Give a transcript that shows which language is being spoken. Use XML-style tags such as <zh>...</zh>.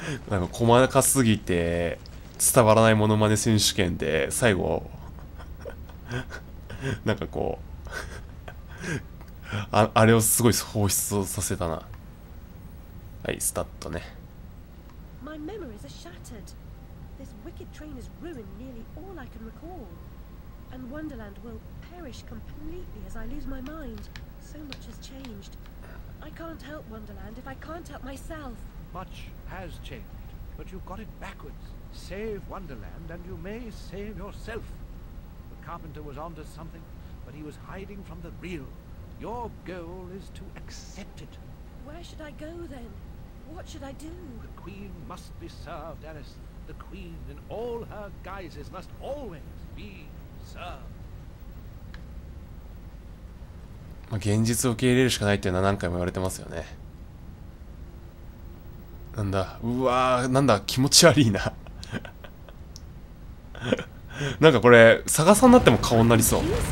<ja>なんか細かすぎて伝わらないモノマネ選手権で最後なんかこうあれをすごい放出させたな。はい、スタートね。</ja> <en>My memories are shattered. This wicked train has ruined nearly all I can recall. And Wonderland will perish completely as I lose my mind. So much has changed. I can't help Wonderland if I can't help myself. Much has changed, but you've got it backwards. Save Wonderland and you may save yourself. The carpenter was onto something, but he was hiding from the real. Your goal is to accept it. Where should I go then? What should I do? The queen must be served, Alice. The queen in all her guises must always be served.</en> <ja>まあ、現実を受け入れるしかないっていうのは何回も言われてますよね。なんだ、うわー、なんだ、気持ち悪いな。なんかこれ、逆さになっても顔になりそう。</ja>